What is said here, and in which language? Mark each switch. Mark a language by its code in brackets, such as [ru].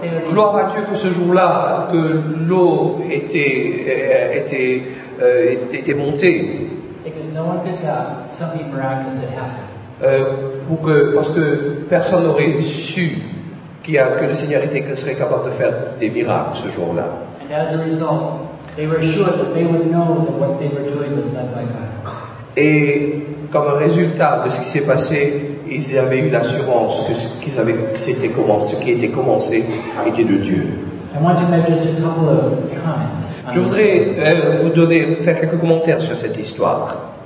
[fr] Gloire à Dieu que ce jour-là, que l'eau était montée. [en] Because no one could doubt something miraculous had happened. [fr] Parce que personne n'aurait su que le Seigneur était serait capable de faire des miracles ce jour-là. [en] And as a result, they were sure that they would know that what they were doing was led by God. [fr] Et comme résultat de ce qui s'est passé, ils avaient eu l'assurance que ce qui était commencé était de Dieu. [en] I want to make just a couple of comments. [fr] Je voudrais faire quelques commentaires sur cette histoire.